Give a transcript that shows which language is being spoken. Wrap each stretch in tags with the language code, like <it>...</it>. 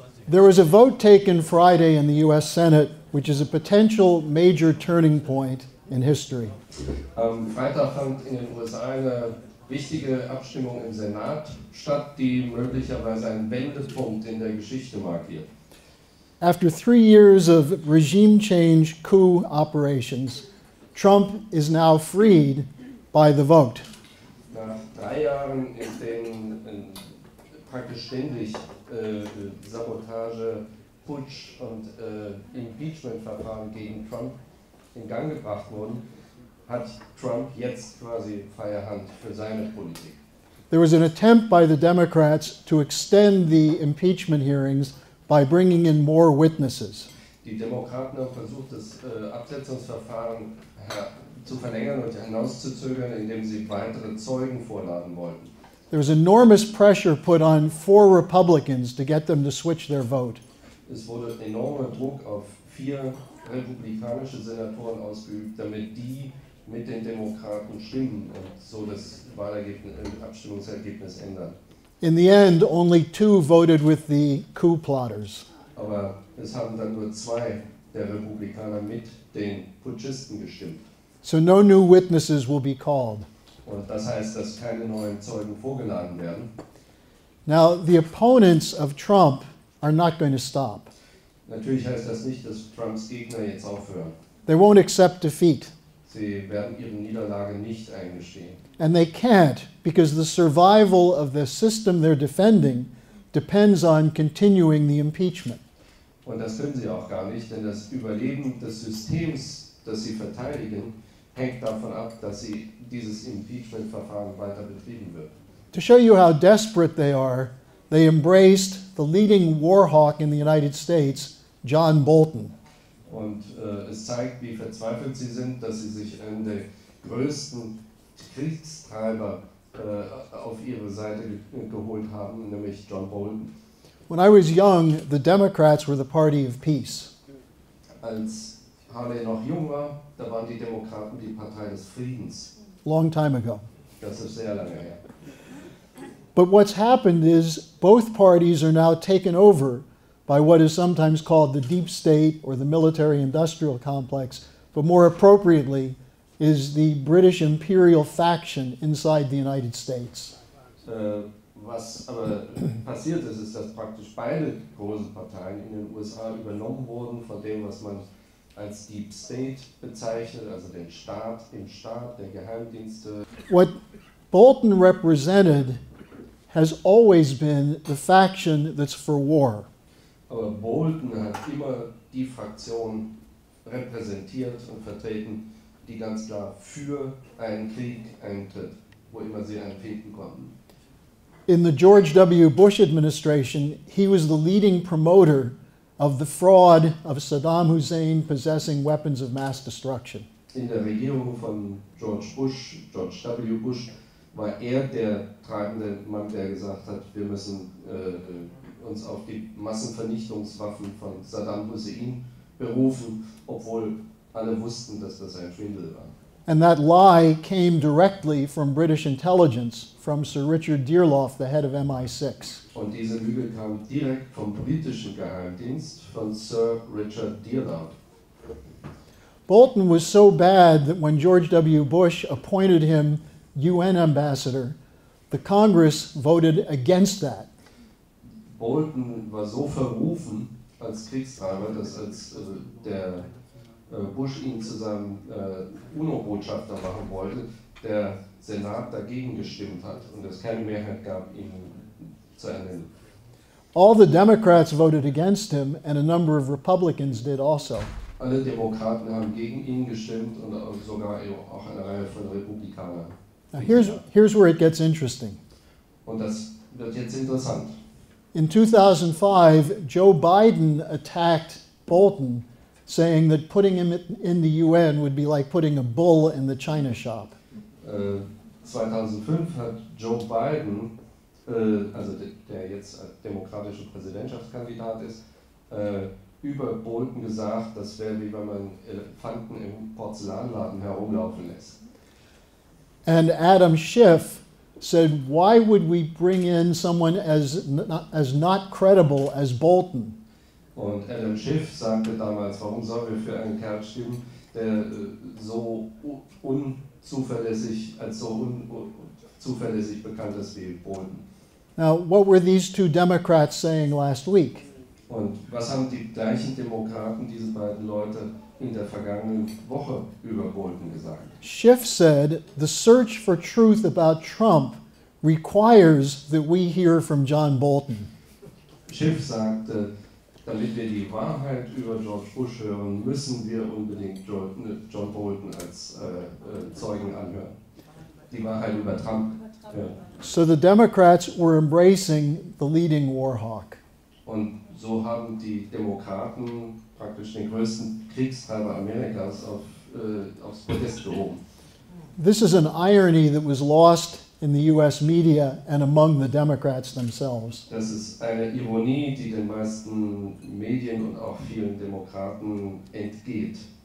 <en>There was a vote taken Friday in the U.S. Senate, which is a potential major turning point in history.</en> <de>Freitag fand in den USA eine wichtige Abstimmung im Senat statt, die möglicherweise einen Wendepunkt in der Geschichte markiert.</de> <en>After 3 years of regime change coup operations, Trump is now freed by the vote.</en> <de>Nach 3 Jahren, in denen praktisch ständig Sabotage, Putsch und Impeachment-Verfahren gegen Trump in Gang gebracht wurden, hat Trump jetzt quasi freie Hand für seine Politik.</de> <en>There was an attempt by the Democrats to extend the impeachment hearings by bringing in more witnesses.</en> <de>Die Demokraten haben versucht, das Absetzungsverfahren zu verlängern und hinauszuzögern, indem sie weitere Zeugen vorladen wollten.</de> <en>There was enormous pressure put on 4 Republicans to get them to switch their vote.</en> <de>Es wurde enormer Druck auf 4 republikanische Senatoren ausgeübt, damit die mit den Demokraten stimmen und so das Abstimmungsergebnis ändern.</de> <en>In the end, only 2 voted with the coup plotters.</en> <de>Aber es haben dann nur 2 der Republikaner mit den Putschisten gestimmt.</de> <en>So no new witnesses will be called.</en> <de>Und das heißt, dass keine neuen Zeugen vorgeladen werden.</de> <en>Now, the opponents of Trump are not going to stop.</en> <de>Natürlich heißt das nicht, dass Trumps Gegner jetzt aufhören.</de> <en>They won't accept defeat.</en> <de>Sie werden ihre Niederlage nicht eingestehen.</de> <en>And they can't, because the survival of the system they're defending depends on continuing the impeachment.</en> <de>Und das können sie auch gar nicht, denn das Überleben des Systems, das sie verteidigen, hängt davon ab, dass sie dieses Impeachment-Verfahren weiter betrieben wird.</de> <en>To show you how desperate they are, they embraced the leading war hawk in the United States, John Bolton.</en> <de>Und es zeigt, wie verzweifelt sie sind, dass sie sich einen der größten Kriegstreiber auf ihre Seite geholt haben, nämlich John Bolton.</de> <en>When I was young, the Democrats were the party of peace.</en> <de>Als Harley noch jung war, da waren die Demokraten die Partei des Friedens.</de> <en>Long time ago.</en> <de>Das ist sehr lange her.</de> <en>But what's happened is both parties are now taken over by what is sometimes called the deep state or the military-industrial complex, but more appropriately is the British imperial faction inside the United States.</en> <de>Was aber passiert ist, ist, dass praktisch beide großen Parteien in den USA übernommen wurden von dem, was man als Deep State bezeichnet, also den Staat im Staat, der Geheimdienste.</de> <en>What Bolton represented has always been the faction that's for war.</en> <de>Aber Bolton hat immer die Fraktion repräsentiert und vertreten, die ganz klar für einen Krieg eintritt, wo immer sie einen finden konnten.</de> <en>In the George W. Bush administration, he was the leading promoter of the fraud of Saddam Hussein possessing weapons of mass destruction.</en> <de>In der Regierung von George W. Bush, war der treibende Mann, der gesagt hat, wir müssen uns auf die Massenvernichtungswaffen von Saddam Hussein berufen, obwohl alle wussten, dass das ein Schwindel war.</de> <en>And that lie came directly from British intelligence, from Sir Richard Dearlove, the head of MI6.</en> <de>Und diese Lüge kam direkt vom britischen Geheimdienst, von Sir Richard Dearlove.</de> <en>Bolton was so bad that when George W. Bush appointed him UN ambassador, the Congress voted against that.</en> <de>Bolton war so verrufen als Kriegstreiber, dass als der Bush ihn zu seinem UNO-Botschafter machen wollte, der Senat dagegen gestimmt hat und es keine Mehrheit gab, ihn zu ernennen.</de> <en>All the Democrats voted against him and a number of Republicans did also.</en> <de>Alle Demokraten haben gegen ihn gestimmt und sogar auch eine Reihe von Republikanern.</de> <en>Now here's where it gets interesting.</en> <de>Und das wird jetzt interessant.</de> <en>In 2005, Joe Biden attacked Bolton, saying that putting him in the UN would be like putting a bull in the China shop.</en> <de>2005 hat Joe Biden, also der jetzt demokratische Präsidentschaftskandidat ist, über Bolton gesagt, das wäre wie wenn man Elefanten im Porzellanladen herumlaufen lässt.</de> <en>And Adam Schiff said, why would we bring in someone as not credible as Bolton?</en> <de>Und Adam Schiff sagte damals, warum sollen wir für einen Kerl stimmen, der so unzuverlässig bekannt ist wie Bolton.</de> <en>Now, what were these two Democrats saying last week?</en> <de>Und was haben die gleichen Demokraten, diese beiden Leute, in der vergangenen Woche über Bolton gesagt?</de> <en>Schiff said, the search for truth about Trump requires that we hear from John Bolton.</en> <de>Schiff sagte, damit wir die Wahrheit über George Bush hören, müssen wir unbedingt John Bolton als Zeugen anhören. Die Wahrheit über Trump hören.</de> <en>So the Democrats were embracing the leading war hawk.</en> <de>Und so haben die Demokraten praktisch den größten Kriegstreiber Amerikas aufs Podest gehoben.</de> <en>This is an irony that was lost in the US media and among the Democrats themselves.</en> <de>Das ist eine Ironie, die den meisten Medien und auch vielen Demokraten entgeht.</de>